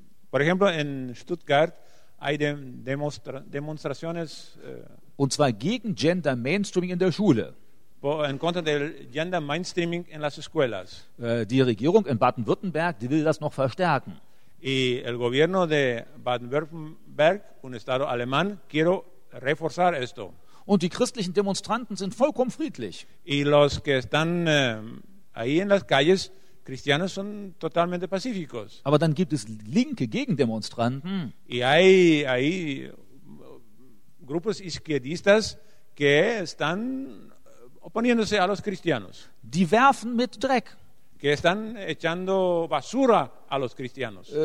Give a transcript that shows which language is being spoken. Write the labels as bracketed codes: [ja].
[es] Por ejemplo, en Stuttgart hay demonstraciones. [de] Und zwar gegen Gender Mainstreaming in der Schule. [es] En contra del Gender Mainstreaming en las escuelas. [de] Die Regierung in Baden-Württemberg, die will das noch verstärken. [es] Y el gobierno de Baden-Württemberg, un estado alemán, quiero reforzar esto. [de] Und die christlichen Demonstranten sind vollkommen friedlich. [es] Y los que están ahí en las calles, cristianos, son totalmente pacíficos. [de] Aber dann gibt es linke Gegendemonstranten. [es] Y hay grupos izquierdistas que están oponiéndose a los cristianos. [de] Die werfen mit Dreck. [es] Que están echando basura a los cristianos.